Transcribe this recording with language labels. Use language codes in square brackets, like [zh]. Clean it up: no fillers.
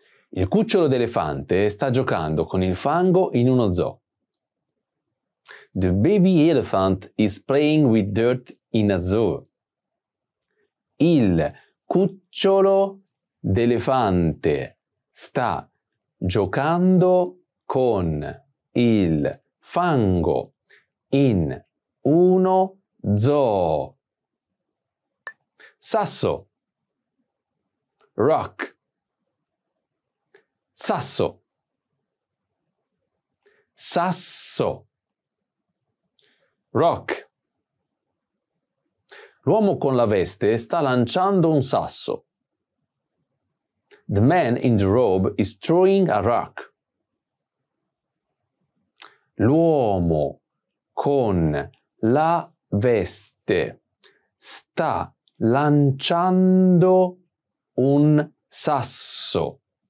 [it] Il cucciolo d'elefante sta giocando con il fango in uno zoo. [en] The baby elephant is playing with dirt in a zoo. [it] Il cucciolo d'elefante sta giocando con il fango in uno zoo. Sasso. Rock. Sasso. Sasso. Rock. L'uomo con la veste sta lanciando un sasso. [en] The man in the robe is throwing a rock. [it] L'uomo con la veste sta lanciando un sasso.